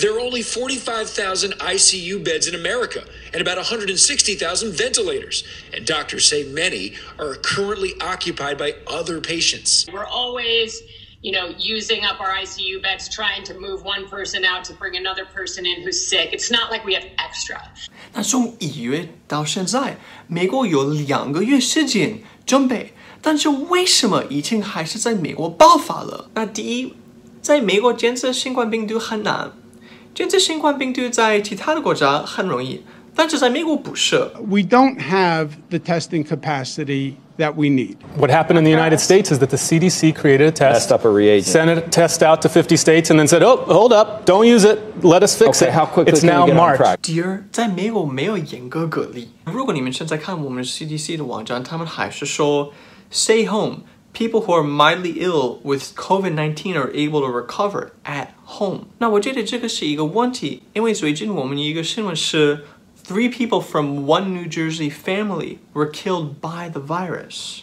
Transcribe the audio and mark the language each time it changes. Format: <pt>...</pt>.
<en>There are only 45,000 ICU beds in America and about 160,000 ventilators. And doctors say many are currently occupied by other patients. We're always, you know, using up our ICU beds, trying to move one person out to bring another person in who's sick. It's not like we have extra.</en> <zh>那从1月到现在，美国有2个月时间准备，但是为什么疫情还是在美国爆发了？那第一，在美国监测新冠病毒很难。检测新冠病毒在其他的国家很容易，但是在美国不是。</zh> <en>We don't have the testing capacity that we need. What happened in the United States is that the CDC created a test, messed up a reagent, sent a test out to 50 states, and then said, "Oh, hold up, don't use it. Let us fix it." How quickly it's now March.</en> <zh>第二，在美国没有严格隔离。如果你们现在看我们 CDC 的网站，他们还是说</zh> <en>"Stay home. People who are mildly ill with COVID-19 are able to recover at." home，</en> <zh>那我觉得这个是一个问题，因为最近我们一个新闻是 ，</zh> <en>three people from one New Jersey family were killed by the virus。</en>